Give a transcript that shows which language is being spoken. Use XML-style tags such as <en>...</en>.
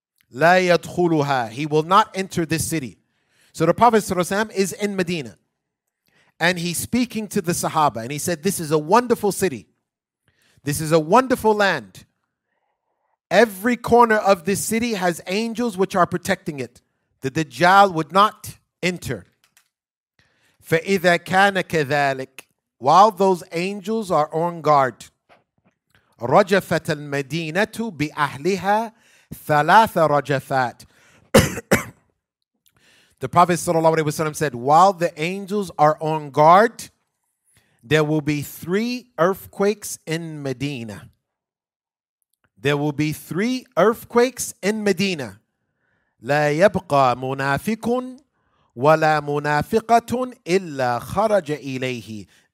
<en>La yadkhuluha, he will not enter this city. So the Prophet ﷺ is in Medina, and he's speaking to the Sahaba, and he said, this is a wonderful city. This is a wonderful land. Every corner of this city has angels which are protecting it. The Dajjal would not enter.</en> <ar>فَإِذَا كَانَ كَذَلِكَ,</ar> <en>while those angels are on guard,</en> <ar>رَجَفَتَ الْمَدِينَةُ بِأَهْلِهَا ثَلَاثَ رَجَفَاتٍ.</ar> <en>The Prophet sallallahu alaihi wasallam said, while the angels are on guard, there will be three earthquakes in Medina. There will be three earthquakes in Medina.</en> <ar>لَا يَبْقَى مُنَافِقٌ وَلَا مُنَافِقَةٌ إِلَّا خَرَجَ إِلَيْهِ.</ar>